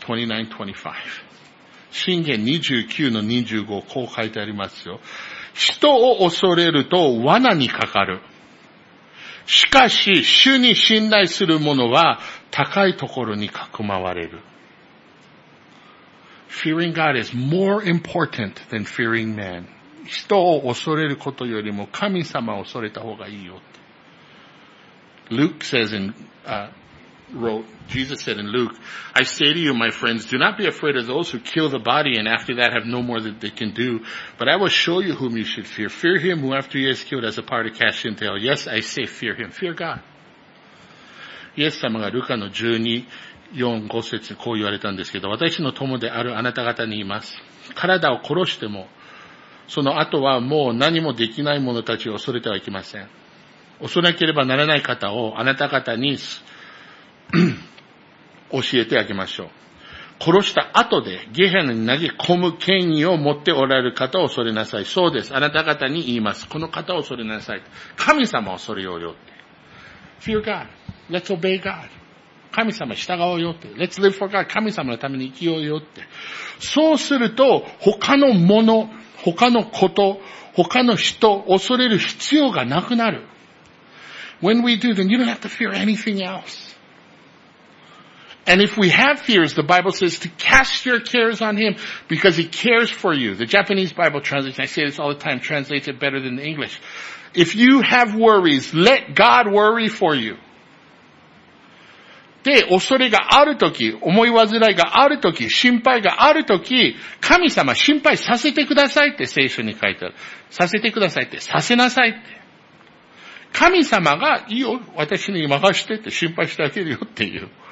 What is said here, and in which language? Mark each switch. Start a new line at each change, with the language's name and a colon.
Japanese: 29:25. 箴言 29-25 こう書いてありますよ。人を恐れると罠にかかる。しかし主に信頼する者は高いところにかくまわれる。
English: Fearing God is more important than fearing man.
Japanese: 人を恐れることよりも神様を恐れた方がいいよって。
English: Luke says in, wrote, Jesus said in Luke, I say to you, my friends, do not be afraid of those who kill the body and after that have no more that they can do, but I will show you whom you should fear. Fear him who after he is killed has a part to cast into hell. Yes, I say fear him. Fear God.
Japanese: イエス様がルカの12:4-5こう言われたんですけど、私の友であるあなた方に言います。体を殺しても、その後はもう何もできない者たちを恐れてはいけません。恐れなければならない方をあなた方に教えてあげましょう。殺した後でゲヘナに投げ込む権威を持っておられる方を恐れなさい。そうです。あなた方に言います。この方を恐れなさい。神様を恐れようよって。
English: Fear God. Let's obey God.
Japanese: 神様従おうよって。
English: Let's live for God.
Japanese: 神様のために生きようよって。そうすると、他のもの、他のこと、他の人、恐れる必要がなくなる。
English: When we do, then you don't have to fear anything else. And if we have fears, the Bible says to cast your cares on Him because He cares for you. The Japanese Bible translation, I say this all the time, translates it better than the English. If you have worries, let God worry for you.
Japanese: で、恐れがあるとき、思い煩いがあるとき、心配があるとき、神様心配させてくださいって聖書に書いてある。させてくださいって、させなさいって。神様が、いいよ、私に任せてって心配してあげるよっていう。